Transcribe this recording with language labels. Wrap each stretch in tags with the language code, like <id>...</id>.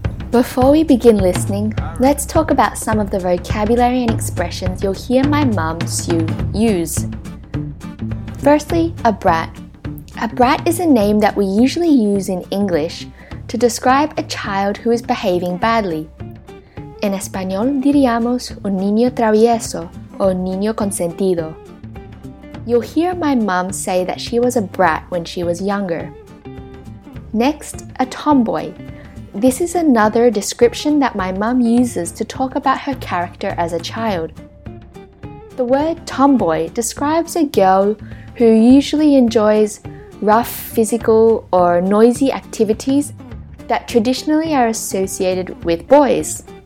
<en>Before we begin listening, let's talk about some of the vocabulary and expressions you'll hear my mum, Sue, use. Firstly, a brat. A brat is a name that we usually use in English to describe a child who is behaving badly.</en> <es>En español diríamos un niño travieso o niño consentido.</es> <en>You'll hear my mum say that she was a brat when she was younger. Next, a tomboy. This is another description that my mum uses to talk about her character as a child. The word tomboy describes a girl who usually enjoys rough physical or noisy activities that traditionally are associated with boys.</en>